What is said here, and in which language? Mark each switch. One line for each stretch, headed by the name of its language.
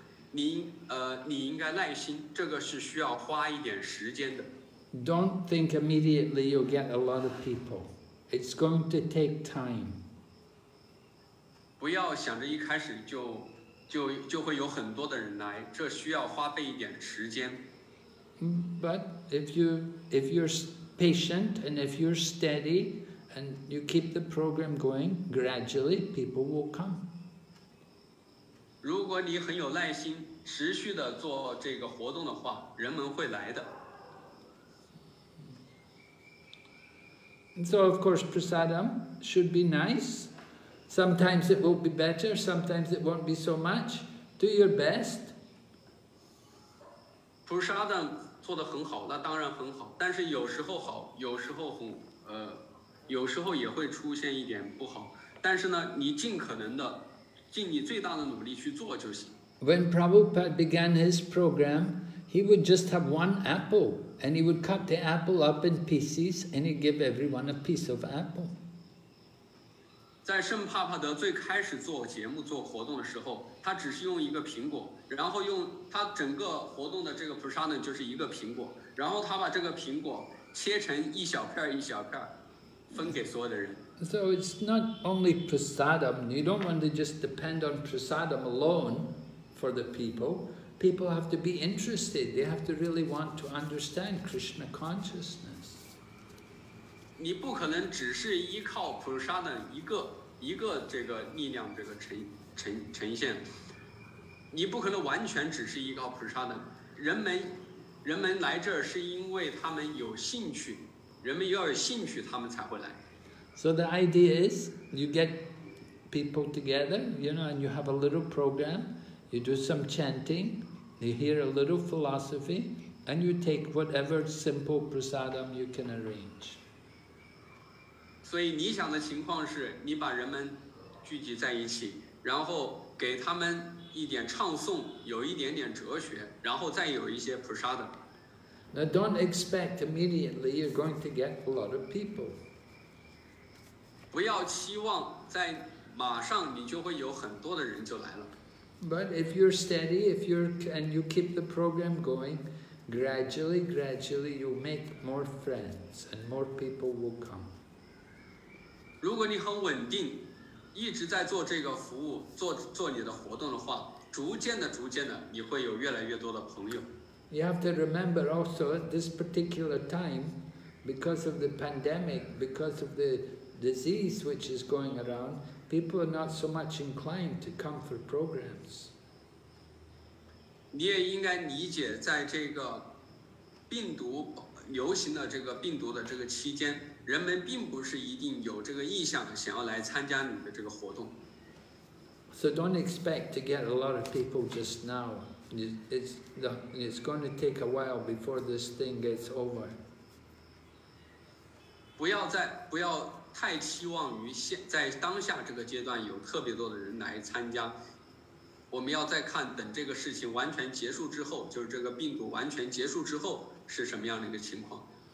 Chinese: 你应该耐心，这个是需要花一点时间的。
English: Don't think immediately you'll get a lot of people. It's going to take time.
Chinese: 不要想着一开始就会有很多的人来，这需要花费一点时间。
English: But if you're patient and if you're steady and you keep the program going, gradually people will come.
Chinese: 如果你很有耐心，持续地做这个活动的话，人们会来的。
English: So of course, prasadam should be nice. Sometimes it will be better, sometimes it won't be so much. Do your best.
Chinese: Prasadam 做得很好，那当然很好。但是有时候好，有时候很，有时候也会出现一点不好。但是呢，你尽可能的，尽你最大的努力去做就行。
English: When Prabhupada began his program, he would just have one apple, and he would cut the apple up in pieces, and he'd give everyone a piece of apple.
Chinese: 在圣帕帕德最开始做节目、做活动的时候，他只是用一个苹果，然后用他整个活动的这个 prasadam 就是一个苹果，然后他把这个苹果切成一小片一小片，分给所有的人。
English: So it's not only prasadam. You don't want to just depend on prasadam alone. For the people have to be interested. They have to really want to understand Krishna consciousness.
Chinese: 你不可能只是依靠普沙的一个这个力量这个呈现。你不可能完全只是依靠普沙的。人们来这儿是因为他们有兴趣，人们要有兴趣，他们才会来。
English: So the idea is, you get people together, you know, and you have a little program. You do some chanting, you hear a little philosophy, and you take whatever simple prasadam you can arrange.
Chinese: 所以理想的情况是你把人们聚集在一起，然后给他们一点唱诵，有一点点哲学，然后再有一些 prasadam.
English: Now don't expect immediately you're going to get a lot of people.
Chinese: 不要期望在马上你就会有很多的人就来了。
English: But if you're steady, if you're and you keep the program going, gradually you'll make more friends and more people will come.
Chinese: 如果你很稳定，一直在做这个服务，做你的活动的话，逐渐的，你会有越来越多的朋友。
English: You have to remember also at this particular time, because of the pandemic, because of the disease which is going around. People are not so much inclined to come for programs.
Chinese: 你也应该理解，在这个病毒流行的这个病毒的这个期间，人们并不是一定有这个意向想要来参加你的这个活动。
English: So don't expect to get a lot of people just now. It's going to take a while before this thing gets over.
Chinese: 不要太期望于在当下这个阶段有特别多的人来参加，我们要再看等这个事情完全结束之后，就是这个病毒完全结束之后是什么样的一个情况。